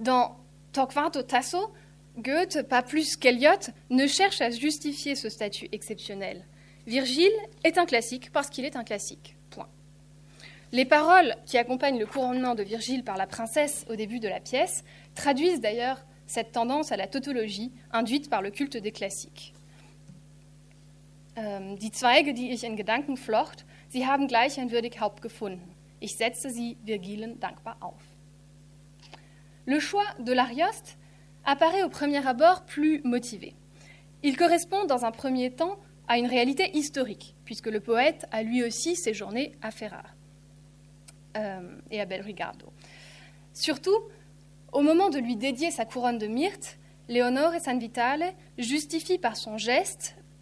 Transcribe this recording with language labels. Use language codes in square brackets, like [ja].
[fr] Dans Torquato Tasso, Goethe, pas plus qu'Eliot, ne cherche à justifier ce statut exceptionnel. Virgile est un classique parce qu'il est un classique. Point. Les paroles qui accompagnent le couronnement de Virgile par la princesse au début de la pièce traduisent d'ailleurs cette tendance à la tautologie induite par le culte des classiques. [de] Die Zweige, die ich in Gedanken flocht, sie haben gleich ein würdig Haupt gefunden. Ich setze sie Virgilen dankbar auf. [fr] Le choix de l'Arioste apparaît au premier abord plus motivé. Il correspond dans un premier temps à une réalité historique, puisque le poète a lui aussi séjourné à Ferrare et à Belrigardo. Surtout, au moment de lui dédier sa couronne de myrte, Leonore San Vitale justifie par son geste,